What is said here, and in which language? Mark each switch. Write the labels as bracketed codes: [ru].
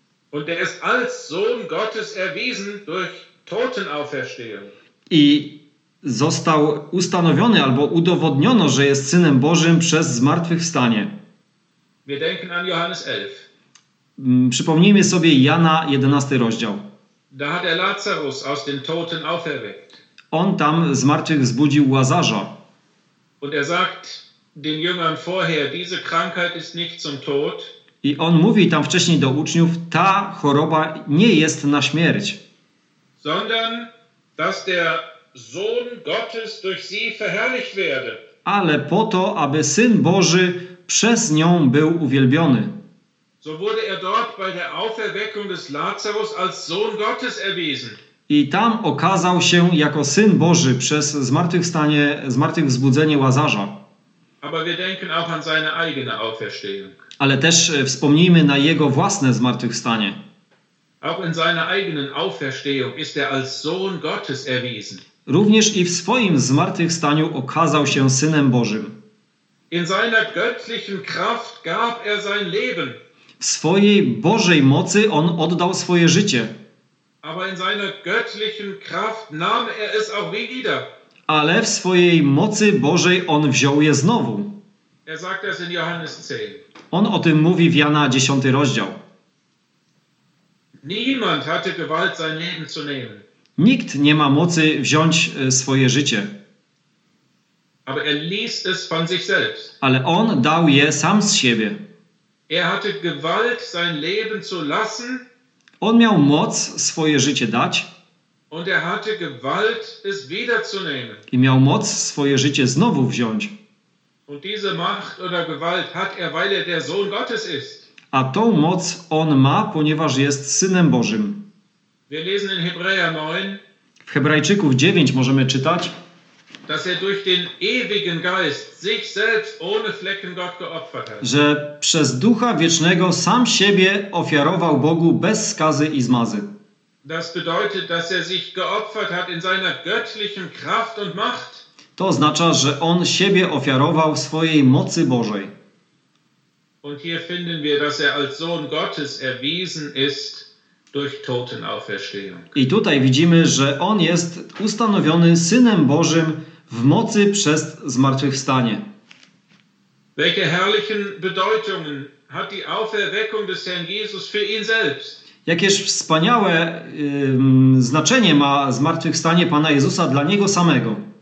[de] Und er ist als Sohn Gottes erwiesen durch Totenauferstehung. [pl] I został ustanowiony albo udowodniono, że jest Synem Bożym przez zmartwychwstanie. [de] Wir denken an Johannes 11. [pl] Przypomnijmy sobie Jana 11 rozdział. [de] Da hat er Lazarus aus den Toten auferweckt. [pl] On tam zmartwychwzbudził Łazarza. [de] Und er sagt den Jüngern vorher, diese Krankheit ist nicht zum Tod. [pl] I on mówi tam wcześniej do uczniów, ta choroba nie jest na śmierć. [de] Sondern, dass der Sohn Gottes durch sie verherrlicht werde. [pl] Ale po to, aby Syn Boży przez nią był uwielbiony. [de] So wurde er dort bei der Auferweckung des Lazarus als Sohn Gottes erwiesen. [pl] I tam okazał się jako Syn Boży przez zmartwychwstanie, zmartwychwzbudzenie Łazarza. [de] Aber wir denken auch an seine eigene Auferstehung. [pl] Ale też wspomnijmy na jego własne zmartwychwstanie. [de] Auch in seiner eigenen Auferstehung ist er als Sohn Gottes erwiesen. [pl] Również i w swoim zmartwychwstaniu okazał się Synem Bożym. [de] In seiner göttlichen Kraft gab er sein Leben. [pl] W swojej Bożej mocy on oddał swoje życie. [de] Aber in seiner göttlichen Kraft nahm er es auch wieder. [pl] Ale w swojej mocy Bożej on wziął je znowu. [de] Er sagt es in Johannes 10. [pl] On o tym mówi w Jana 10 rozdział. [de] Niemand hatte Gewalt, sein Leben zu nehmen. [pl] Nikt nie ma mocy wziąć swoje życie. [de] Aber er ließ es von sich selbst. [pl] Ale on dał je sam z siebie. [de] Er hatte Gewalt, sein Leben zu lassen. [pl] On miał moc swoje życie dać. [de] Und er hatte Gewalt, es wiederzunehmen. [pl] I miał moc swoje życie znowu wziąć. [de] Und diese Macht oder Gewalt hat er, weil er der Sohn Gottes ist. [pl] A tą moc on ma, ponieważ jest Synem Bożym. [de] Wir lesen in Hebräer 9, [pl] w Hebrajczyków 9 możemy czytać, [de] dass er durch den ewigen Geist sich selbst ohne Flecken Gott geopfert hat. [pl] Że przez Ducha Wiecznego sam siebie ofiarował Bogu bez skazy i zmazy. [de] Das bedeutet, dass er sich geopfert hat in seiner göttlichen Kraft und Macht. [pl] To oznacza, że on siebie ofiarował w swojej mocy Bożej. [de] Und hier finden wir, dass er als Sohn Gottes erwiesen ist durch Totenauferstehung. [pl] I tutaj widzimy, że on jest ustanowiony Synem Bożym w mocy przez zmartwychwstanie. [de] Welche herrlichen Bedeutungen hat die Auferweckung des Herrn Jesus für ihn selbst? [pl] Jakież wspaniałe znaczenie ma zmartwychwstanie Pana Jezusa dla Niego samego.